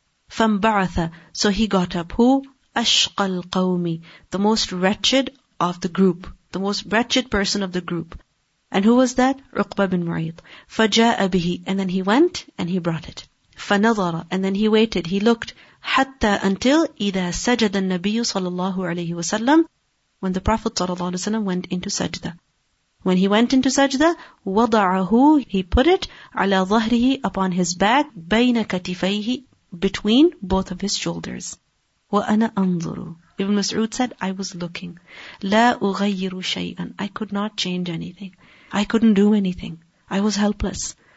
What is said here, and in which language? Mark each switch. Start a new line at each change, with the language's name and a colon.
Arabic: فَانْبَعَثَ,
English: so he got up. Who?
Arabic: أَشْقَى الْقَوْمِ,
English: the most wretched of the group, the most wretched person of the group. And who was that? عُقْبَى بِنْ مُعِيطٍ.
Arabic: فَجَاءَ بِهِ,
English: and then he went and he brought it.
Arabic: فَنَظَرَ,
English: and then he waited, he looked.
Arabic: حَتَّى,
English: until
Arabic: إِذَا سَجَدَ النَّبِيُّ صلى الله عليه وسلم,
English: when the Prophet ﷺ went into sajda. When he went into sajda,
Arabic: وضعه,
English: he put it,
Arabic: على ظهره,
English: upon his back,
Arabic: بين كتفيه,
English: between both of his shoulders.
Arabic: وأنا أنظر.
English: Ibn Mas'ud said, I was looking.
Arabic: لا أغير شيئا.
English: I could not change anything. I couldn't do anything. I was helpless.